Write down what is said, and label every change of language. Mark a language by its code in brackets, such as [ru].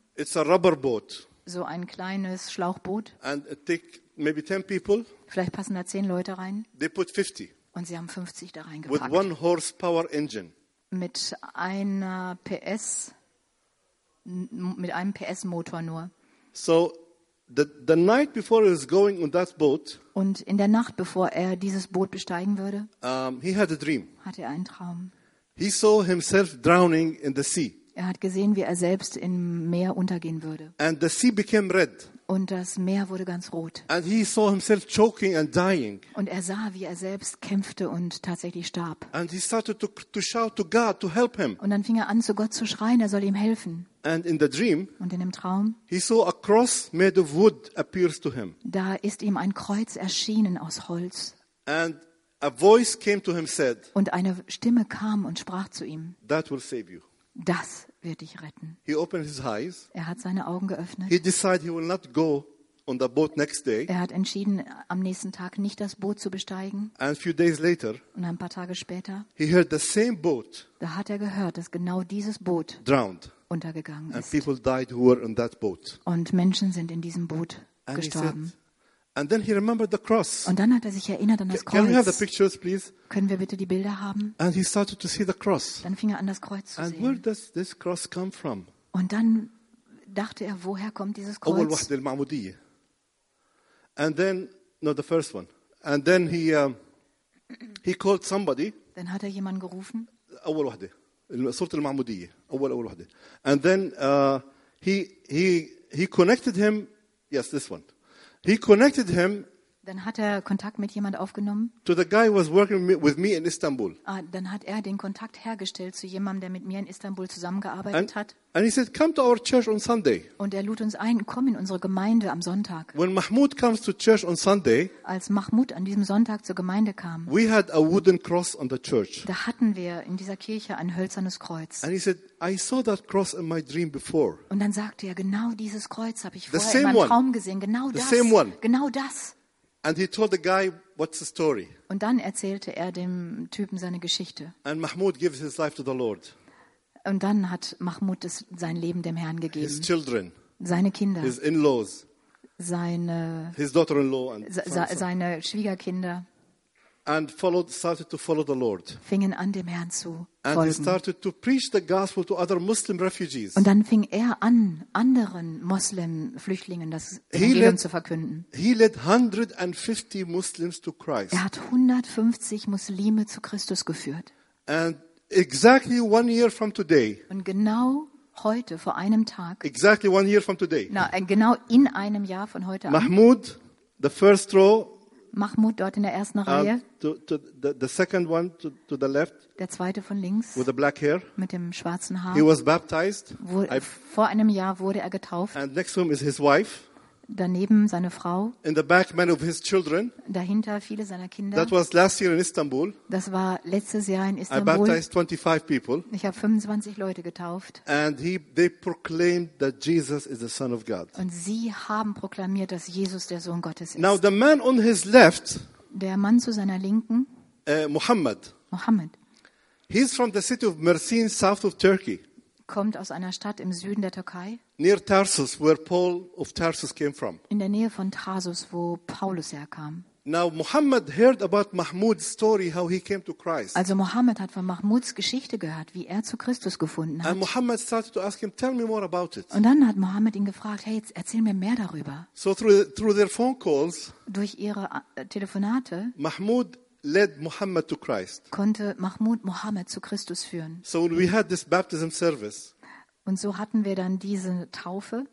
[en] It's a rubber boat. [de] So ein kleines Schlauchboot. [en] And it take maybe 10 people. [de] Vielleicht passen da 10 Leute rein. [en] They put 50. [de] Und sie haben 50 da reingepackt. [en] With one horsepower engine. [de] Mit einer PS, mit einem PS-Motor nur. [en] So, the night before he was going on that boat. [de] Und in der Nacht, bevor er dieses Boot besteigen würde, [en] he had a dream. [de] Hatte er einen Traum. [en] He saw himself drowning in the sea. [de] Er hat gesehen, wie er selbst im Meer untergehen würde. [en] And the sea became red. [de] Und das Meer wurde ganz rot. [en] And he saw himself choking and dying. [de] Und er sah, wie er selbst kämpfte und tatsächlich starb. [en] And he started to shout to God to help him. [de] Und dann fing er an, zu Gott zu schreien, er soll ihm helfen. [en] And in the dream, [de] und in dem Traum, [en] he saw a cross made of wood appears to him. [de] Da ist ihm ein Kreuz erschienen aus Holz. [en] And a voice came to him said, [de] und eine Stimme kam und sprach zu ihm, [en] that will save you. [de] Das wird dich retten. [en] He opened his eyes. [de] Er hat seine Augen geöffnet. [en] He decided he will not go on the boat next day. [de] Er hat entschieden, am nächsten Tag nicht das Boot zu besteigen. [en] And a few days later, [de] und ein paar Tage später, [en] he heard the same boat, [de] da hat er gehört, dass genau dieses Boot [en] drowned, [de] untergegangen ist. [en] And people died who were on that boat. [de] Und Menschen sind in diesem Boot and gestorben. [en] And then he remembered the cross. [de] Und dann hat er sich erinnert an das Kreuz. [en] Can we have the pictures, please? [de] Können wir bitte die Bilder haben? [en] And he started to see the cross. [de] Dann fing er an, das Kreuz zu sehen. [en] And where does this cross come from? [de] Und dann dachte er, woher kommt dieses Kreuz? [ar] أول واحد المعمودية. [en] And then, no, the first one. And then he called somebody. [de] Dann hat er jemanden gerufen. [ar] أول واحدة. صورة المعمودية. أول واحدة. [en] And then he connected him. Yes, this one. He connected him. [de] Dann hat er Kontakt mit jemand aufgenommen. [en] To the guy who was working with me in Istanbul. [de] Ah, dann hat er den Kontakt hergestellt zu jemandem, der mit mir in Istanbul zusammengearbeitet hat. [en] And he said, "Come to our church on Sunday." [de] Und er lud uns ein, komm in unsere Gemeinde am Sonntag. [en] When Mahmoud comes to church on Sunday. [de] Als Mahmoud an diesem Sonntag zur Gemeinde kam. [en] We had a wooden cross on the church. [de] Da hatten wir in dieser Kirche ein hölzernes Kreuz. [en] And he said, "I saw that cross in my dream before." [de] Und dann sagte er, genau dieses Kreuz habe ich vorher in meinem Traum gesehen, genau [en] the [de] das. [en] Same one. [de] Genau das. [en] And he told the guy what's the story. [de] Und dann erzählte er dem Typen seine Geschichte. [en] And Mahmoud gives his life to the Lord. [de] Und dann hat Mahmoud sein Leben dem Herrn gegeben. [en] His children, [de] seine Kinder. [en] His in-laws, [de] seine, [en] his daughter-in-law and [de] seine Schwiegerkinder. [en] And followed, started to follow the Lord. [de] Fingen an, dem Herrn zu [en] and [de] folgen. [en] He started to preach the gospel to other Muslim refugees. [de] Und dann fing er an, anderen Muslim-Flüchtlingen das Evangelium zu verkünden. [en] He led 150 Muslims to Christ. [de] Er hat 150 Muslime zu Christus geführt. [en] And exactly 1 year from today. [de] Und genau heute, vor einem Tag. [en] Exactly 1 year from today. [de] Na, genau in einem Jahr von heute an. [en] Mahmoud, the first row. [de] Mahmoud dort in der ersten Reihe. [en] The second one to the left. [de] Der zweite von links. [en] With the black hair. [de] Mit dem schwarzen Haar. [en] He was baptized. [de] Vor einem Jahr wurde er getauft. [en] And next room is his wife. [de] Daneben seine Frau. [en] In the back, many of his children. [de] Dahinter viele seiner Kinder. [en] That was last year in Istanbul. [de] Das war letztes Jahr in Istanbul. [en] I baptized 25 people. [de] Ich habe 25 Leute getauft. [en] And they proclaimed that Jesus is the Son of God. [de] Und sie haben proklamiert, dass Jesus der Sohn Gottes ist. [en] Now the man on his left. [de] Der Mann zu seiner Linken. [en] Muhammad. [de] Muhammad. [en] He's from the city of Mersin, south of Turkey. [de] Kommt aus einer Stadt im Süden der Türkei. [en] Near Tarsus, where Paul of Tarsus came from. [de] In der Nähe von Tarsus, wo Paulus herkam. [en] Now Muhammad heard about Mahmoud's story, how he came to Christ. [de] Also Muhammad hat von Mahmouds Geschichte gehört, wie er zu Christus gefunden hat. [en] And Muhammad started to ask him, tell me more about it. [de] Und dann hat Muhammad ihn gefragt, hey, jetzt erzähl mir mehr darüber. [en] So through their phone calls. [de] Durch ihre Telefonate. [en] Mahmoud led Muhammad to Christ. [de] Konnte Mahmoud Muhammad zu Christus führen. [en] So we had this baptism service. [de] Und so hatten wir dann diese Taufe.